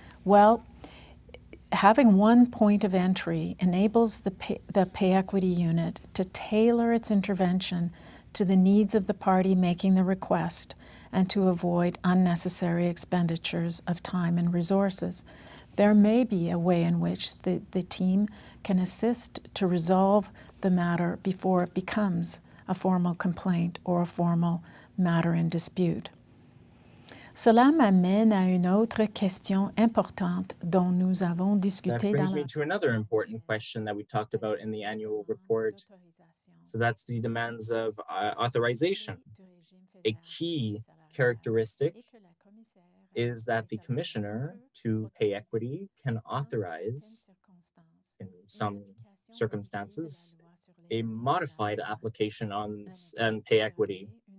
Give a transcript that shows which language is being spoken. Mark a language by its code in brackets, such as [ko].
[en] Well, having one point of entry enables the pay equity unit to tailor its intervention to the needs of the party making the request and to avoid unnecessary expenditures of time and resources. There may be a way in which the team can assist to resolve the matter before it becomes a formal complaint or a formal matter in dispute. [fr] Cela m'amène à une autre question importante dont nous avons discuté dans la... [en] That brings me to another important question that we talked about in the annual report. So that's the demands of authorization. A key characteristic is that the commissioner to pay equity can authorize, in some circumstances, a modified application on pay equity.